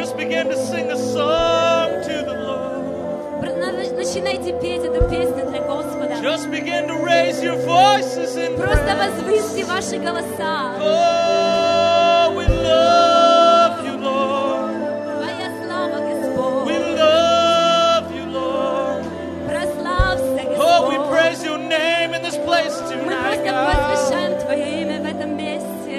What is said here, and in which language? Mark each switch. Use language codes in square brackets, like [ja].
[en] begin to sing a song to the Lord. [ru] Начинайте петь эту песню для Господа. [en] Just begin to raise your voices in praise. [ru] Просто возвысьте ваши голоса. [en] Oh, we love you, Lord. [ru] Твоя слава, Господь. [en] We love you, Lord. [ru] Прославься, Господь. [en] Oh, we praise your name in this place tonight, God. [ru] Мы просто возвышаем Твое имя в этом месте.